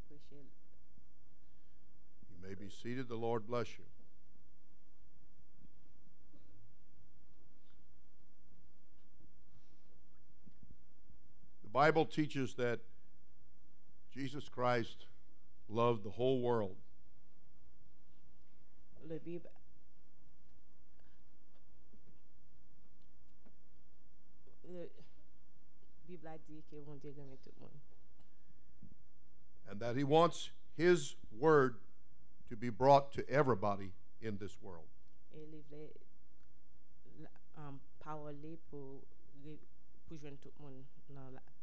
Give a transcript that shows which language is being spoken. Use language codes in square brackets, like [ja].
[en] You may be seated. The Lord bless you. Bible teaches that Jesus Christ loved the whole world. [fr] Le Bible a dit que mon Dieu aime tout le monde. [en] And that he wants his word to be brought to everybody in this world. [fr] Il veut parler pour joindre tout le monde dans la.